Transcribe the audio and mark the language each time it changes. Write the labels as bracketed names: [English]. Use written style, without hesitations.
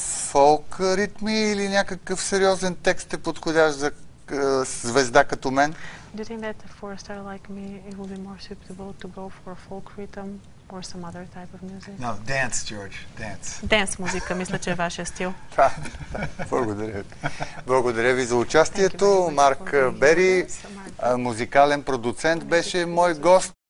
[Bulgarian] Фолк ритми или някакъв сериозен текст е подходящ за звезда като мен? [English] Do you think that for a star like me it would be more suitable to go for a folk rhythm or some other type of music? No, dance, George, dance. [Bulgarian] Dance музика, мисля, че е вашия стил. Благодаря. Благодаря ви за участието. Марк Бери, музикален продуцент, беше мой гост.